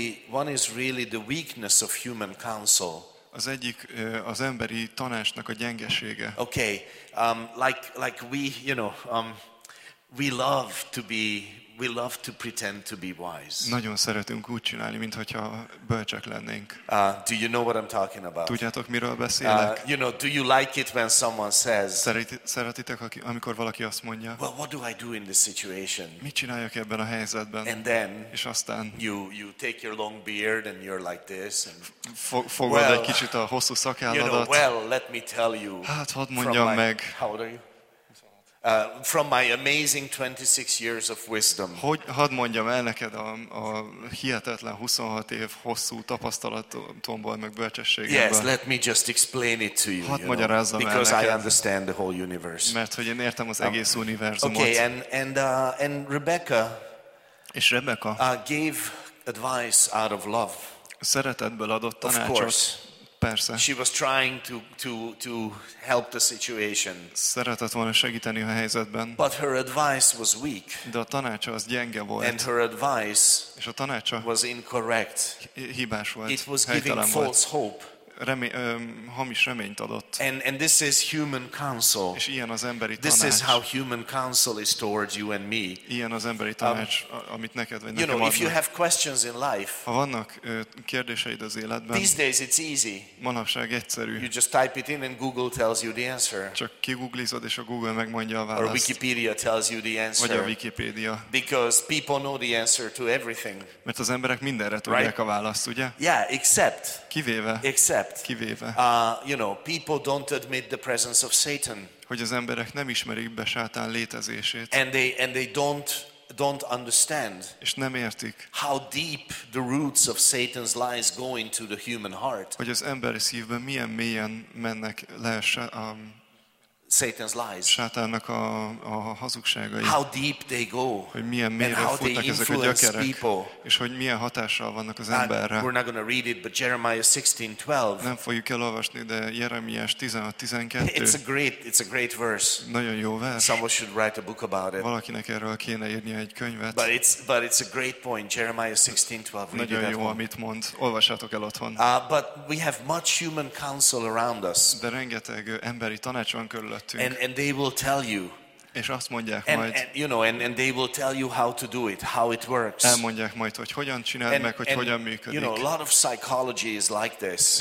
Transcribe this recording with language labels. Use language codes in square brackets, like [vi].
[en] One is really the weakness of human counsel. [hu] Az egyik az emberi tanácsnak a gyengesége. [en] Okay, like we, you know, we love to pretend to be wise. [hu] Nagyon szeretünk úgy csinálni, mint hogyha bölcsek lennénk. [en] Do you know what I'm talking about? [hu] Tudjátok, miről beszélek? [en] You know, do you like it when someone says? [hu] Szeretitek, amikor valaki azt mondja? [en] Well, what do I do in this situation? [hu] Mit csináljak ebben a helyzetben? [en] And then, [hu] és aztán, [en] you take your long beard and you're like this. And, [hu] fogod well, egy kicsit a hosszú szakálladat. [en] You know, well, let me tell you. [hu] Hát, hadd mondjam meg. [en] How old are you? From my amazing 26 years of wisdom. [hu] Hogy hadd mondjam el neked a hihetetlen 26 év hosszú tapasztalatomból meg bölcsességemből. [en] Yes, let me just explain it to you. [hu] Hadd magyarázzam el neked. [en] Because I understand the whole universe. [hu] Mert hogy én értem az egész univerzumot. [en] Okay, and Rebecca. [hu] És Rebecca. [en] Gave advice out of love. [hu] Szeretetből adott tanácsot. [en] Of course. [hu] Persze. [en] She was trying to help the situation. [hu] Szeretett volna segíteni a helyzetben. [en] But her advice was weak. [hu] De a tanácsa az gyenge volt. [en] And her advice, [hu] és a tanácsa [en] was incorrect. [hu] Hibás volt. [en] It was giving false hope. [hu] Hamis reményt adott. [en] And this is human counsel. [hu] És ilyen az emberi tanács. [en] This is how human counsel is towards you and me. [hu] Ilyen az emberi tanács, amit neked vagy nekem adnak. [en] You know, if you have questions in life. [hu] Ha vannak kérdéseid az életben. [en] These days it's easy. [hu] Manapság egyszerű. [en] You just type it in and Google tells you the answer. [hu] Csak kiguglizod és a Google megmondja a választ. [en] Or Wikipedia tells you the answer. [hu] Vagy a Wikipedia. [en] Because people know the answer to everything. [hu] Mert az emberek mindenre tudják a választ, ugye? [en] Yeah, except. [hu] Kivéve. [en] Except. [hu] Kivéve. [en] You know, people don't admit the presence of Satan. [hu] Hogy az emberek nem ismerik be Sátán létezését. [en] And they don't understand. [hu] És nem értik. [en] How deep the roots of Satan's lies go into the human heart. [hu] Hogy az emberi szívben milyen mélyen mennek le [en] Satan's lies. [hu] Sátánnak a hazugságai. [en] How deep they go. [hu] Hogy milyen mélyre futnak ezek a gyökerek. És hogy milyen hatással vannak az emberre. [en] We're not gonna read it, but Jeremiah 16:12. [hu] Nem fogjuk elolvasni, de Jeremiás 16:12. [en] It's a great verse. [hu] Nagyon jó vers. [en] Someone should write a book about it. [hu] Valakinek erről kéne írni egy könyvet. [en] But it's a great point, Jeremiah 16:12. [hu] Nagyon jó, amit mond. Olvassátok el otthon. [en] But we have much human counsel around us. [hu] De rengeteg emberi tanács van körül. [en] And they will tell you. [hu] És azt mondják majd. [en] You know, and they will tell you how to do it, how it works. [hu] Elmondják majd, hogy hogyan csináld meg, hogy hogyan működik. [en] You know, a lot of psychology is like this.